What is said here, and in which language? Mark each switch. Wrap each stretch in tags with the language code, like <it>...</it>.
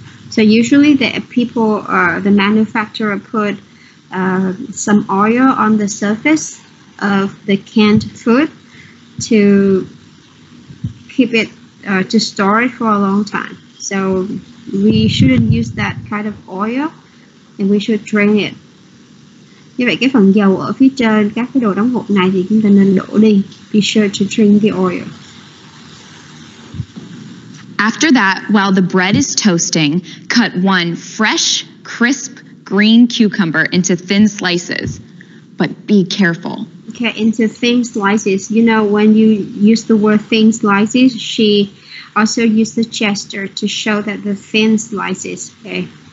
<en>So usually the people, the manufacturer put some oil on the surface of the canned food to keep it, to store it for a long time. So we shouldn't use that kind of oil and we should drain it.</en> <vi>Như vậy cái phần dầu ở phía trên các cái đồ đóng hộp này thì chúng ta nên đổ đi.</vi> <en>Be sure to drain the oil. After that, while the bread is toasting, cut one fresh, crisp, green cucumber into thin slices. But be careful. Okay, into thin slices. You know, when you use the word thin slices, she also used the gesture to show that the thin slices, okay?</en>